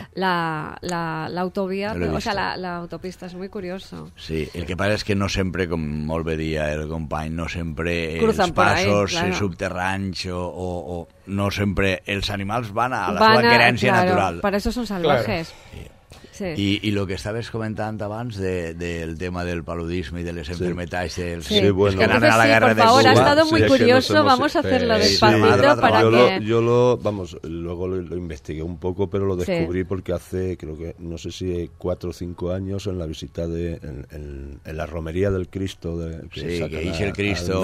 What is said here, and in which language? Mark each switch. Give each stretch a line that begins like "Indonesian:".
Spanish: la autovía. O sea, la autopista es muy curioso. Sí, el que pasa es que no siempre, como lo veía el compañero, no siempre los pasos claro. subterráneos o no siempre los animales van a la van su querencia claro, natural. Para eso son salvajes. Claro. Sí. Sí.
Catalan: I lo que estaves comentant abans del tema del paludisme i de les enfermetats dels
Spanish: sí. sí, bueno.
Catalan: que anaven a la guerra de Cuba.
Spanish: Ha estado muy curioso, vamos a hacerlo despacito para que... Luego lo investigué un poco, pero lo descubrí sí. porque hace, creo que, no sé si 4 o 5 años, en la visita de en la romería del Cristo, que sí, que el Cristo.